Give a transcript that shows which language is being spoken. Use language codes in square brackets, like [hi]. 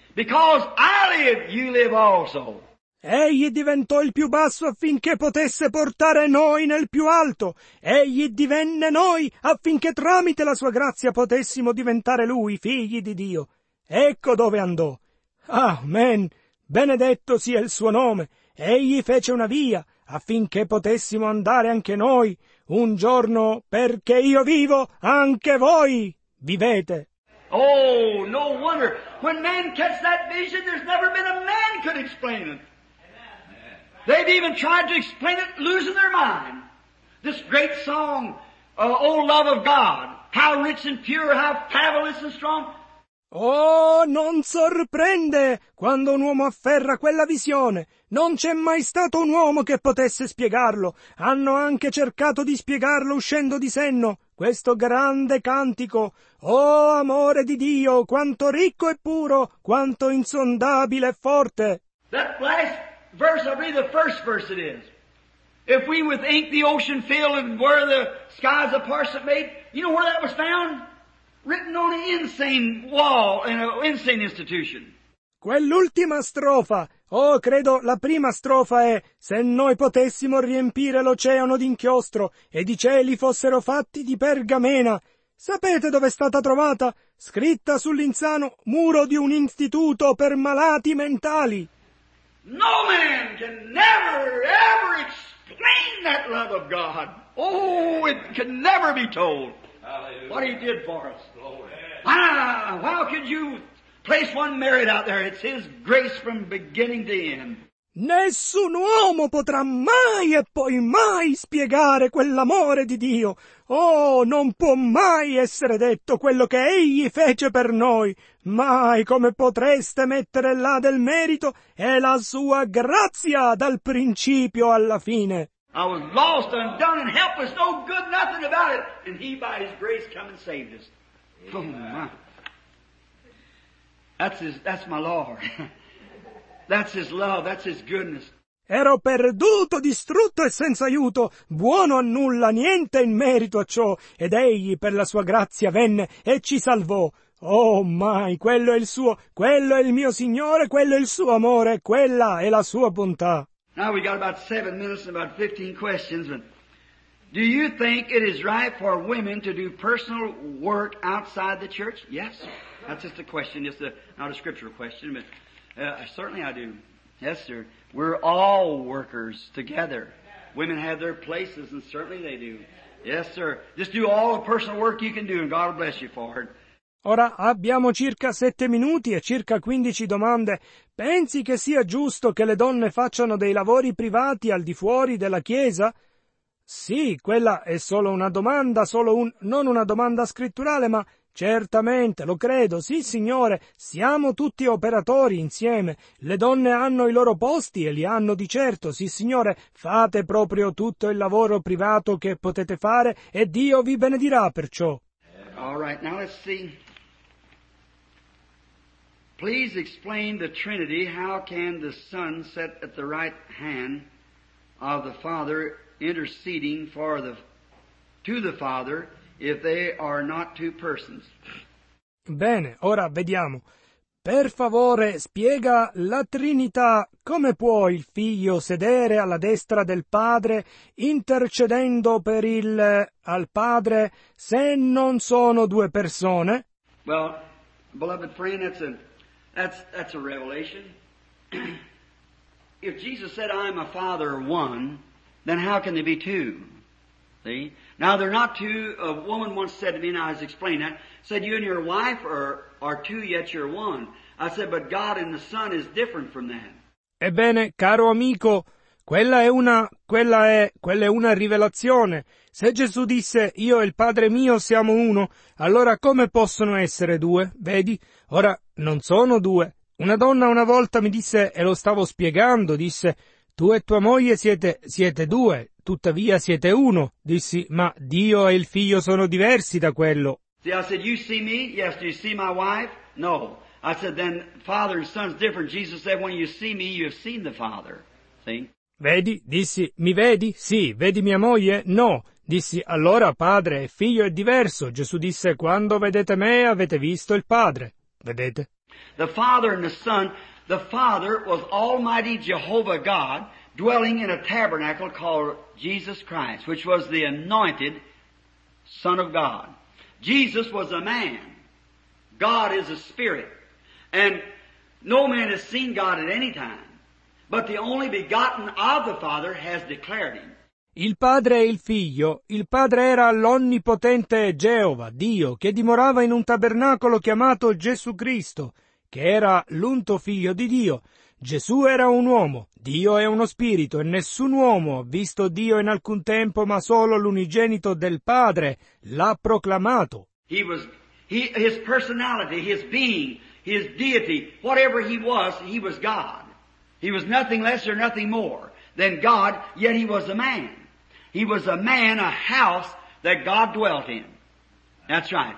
[en] Because I live, you live also. [it] Egli diventò il più basso affinché potesse portare noi nel più alto. Egli divenne noi affinché tramite la sua grazia potessimo diventare lui, figli di Dio. Ecco dove andò. Amen. Benedetto sia il suo nome. Egli fece una via affinché potessimo andare anche noi. Un giorno, perché io vivo, anche voi vivete. [en] Oh, no wonder. When man gets that vision, there's never been a man could explain it. They've even tried to explain it, losing their mind. This great song, oh love of God, how rich and pure, how fabulous and strong. [it] Oh, non sorprende quando un uomo afferra quella visione. Non c'è mai stato un uomo che potesse spiegarlo. Hanno anche cercato di spiegarlo uscendo di senno, questo grande cantico. Oh, amore di Dio, quanto ricco e puro, quanto insondabile e forte. [en] That last verse, I'll read the first verse it is. If we with ink the ocean fill and were the skies a parchment made, you know where that was found? Written on an insane wall in an insane institution. [it] Quell'ultima strofa, oh, credo la prima strofa è se noi potessimo riempire l'oceano d'inchiostro ed i cieli fossero fatti di pergamena. Sapete dove è stata trovata? Scritta sull'insano muro di un istituto per malati mentali. [en] No man can never ever explain that love of God. Oh, it can never be told. Hallelujah. What he did for us. Glory. Ah, how could you place one merit out there? It's his grace from beginning to end. [it] Nessun uomo potrà mai e poi mai spiegare quell'amore di Dio. Oh, non può mai essere detto quello che egli fece per noi. Mai come potreste mettere là del merito e la sua grazia dal principio alla fine. [en] I was lost, undone, and helpless, no good, nothing about it. And he, by his grace, come and saved us. Amen. Oh, my. That's my Lord. That's his love. That's his goodness. [it] Ero perduto, distrutto e senza aiuto, buono a nulla, niente in merito a ciò, ed egli per la sua grazia venne e ci salvò. Oh mai, quello è il suo, quello è il mio Signore, quello è il suo amore, quella è la sua bontà. [en] Now we got about 7 minutes and about 15 questions, but do you think it is right for women to do personal work outside the church? Yes, that's just a question, just a, not a scriptural question, but certainly I do. Yes, sir. We're all workers together. Women have their places, and certainly they do. Yes, sir. Just do all the personal work you can do, and God will bless you for it. [it] Ora abbiamo circa 7 minuti e circa 15 domande. Pensi che sia giusto che le donne facciano dei lavori privati al di fuori della Chiesa? Sì, quella è solo una domanda, non una domanda scritturale, ma... Certamente, lo credo, sì signore, siamo tutti operatori insieme, le donne hanno i loro posti e li hanno di certo, sì signore, fate proprio tutto il lavoro privato che potete fare e Dio vi benedirà perciò. [en] All right, now let's see. Please explain the Trinity, how can the Son sit at the right hand of the Father interceding for the, to the Father, if they are not two persons. [it] Bene, ora vediamo. Per favore, spiega la Trinità. Come può il Figlio sedere alla destra del Padre, intercedendo per il al Padre, se non sono due persone? [en] Well, beloved friend, that's a revelation. If Jesus said, "I am a Father one," then how can they be two? See? Now, they're not two. A woman once said to me, and I was explaining that, said, "You and your wife are two, yet you're one." I said, "But God and the Son is different from that." [it] Ebbene, caro amico, quella è una rivelazione. Se Gesù disse, "Io e il Padre mio siamo uno," allora come possono essere due? Vedi? Ora, non sono due. Una donna una volta mi disse, e lo stavo spiegando, disse, "Tu e tua moglie siete due. Tuttavia siete uno," dissi, "ma Dio e il Figlio sono diversi da quello." [en] See, I said, "You see me? Yes. Do you see my wife? No." I said, "Then Father and Son's different. Jesus said, 'When you see me, you have seen the Father.'" See? [it] Vedi? Dissi, "Mi vedi? Sì. Vedi mia moglie? No." Dissi, "Allora Padre e Figlio è diverso. Gesù disse, 'Quando vedete me, avete visto il Padre.'" Vedete? [en] The Father and the Son, the Father was Almighty Jehovah God, dwelling in a tabernacle called Jesus Christ, which was the anointed Son of God. Jesus was a man. God is a spirit. And no man has seen God at any time. But the only begotten of the Father has declared him. [it] Il Padre e il Figlio. Il Padre era l'onnipotente Geova, Dio, che dimorava in un tabernacolo chiamato Gesù Cristo, che era l'unto Figlio di Dio. Gesù era un uomo, Dio è uno spirito, e nessun uomo ha visto Dio in alcun tempo, ma solo l'unigenito del Padre l'ha proclamato. [en] His personality, his being, his deity, whatever he was God. He was nothing less or nothing more than God, yet he was a man. He was a man, a house that God dwelt in. That's right.